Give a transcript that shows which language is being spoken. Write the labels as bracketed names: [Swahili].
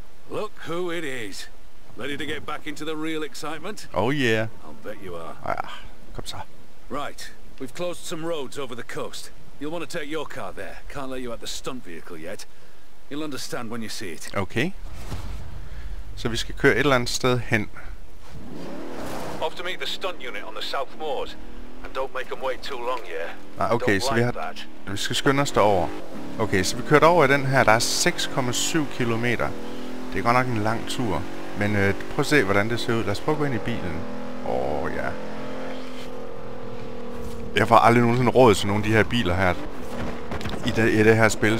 [English] Look who it is. Ready to get back into the real excitement? Oh yeah. I'll bet you are. Ah, come so. Right. We've closed some roads over the coast. You'll want to take your car there. Can't let you out the stunt vehicle yet. You'll understand when you see it. Okay. [Danish] Så vi skal køre et eller andet sted hen. [English] Off to meet the stunt unit on the South Moors. And don't make them wait too long, yeah? Ah, okay, don't [Danish] så [English] like that. [Danish] Vi skal skynde os derover. Okay, så vi kører over i den her. Der er 6,7 kilometer. Det er godt nok en lang tur. Men prøv at se, hvordan det ser ud. Lad os prøve at gå ind i bilen. Ja. Jeg får aldrig nogensinde råd til nogle af de her biler her. I det her spil.